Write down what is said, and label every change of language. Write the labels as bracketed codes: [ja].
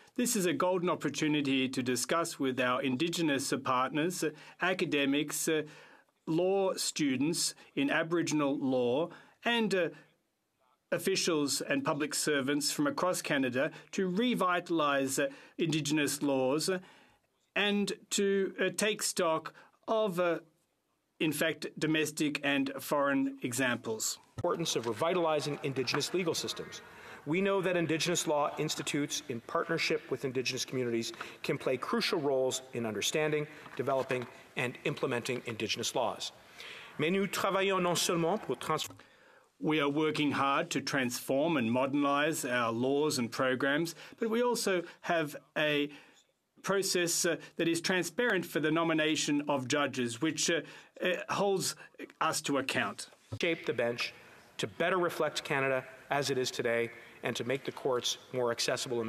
[en] This is a golden opportunity to discuss with our Indigenous partners, academics, law students in Aboriginal law, and officials and public servants from across Canada to revitalize Indigenous laws and to take stock of, in fact, domestic and foreign examples. The importance of revitalizing Indigenous legal systems. We know that Indigenous law institutes in partnership with Indigenous communities can play crucial roles in understanding, developing, and implementing Indigenous laws. [fr] Mais nous travaillons non seulement pour transformer. [en] We are working hard to transform and modernize our laws and programs, but we also have a process that is transparent for the nomination of judges, which holds us to account. Shape the bench to better reflect Canada as it is today and to make the courts more accessible.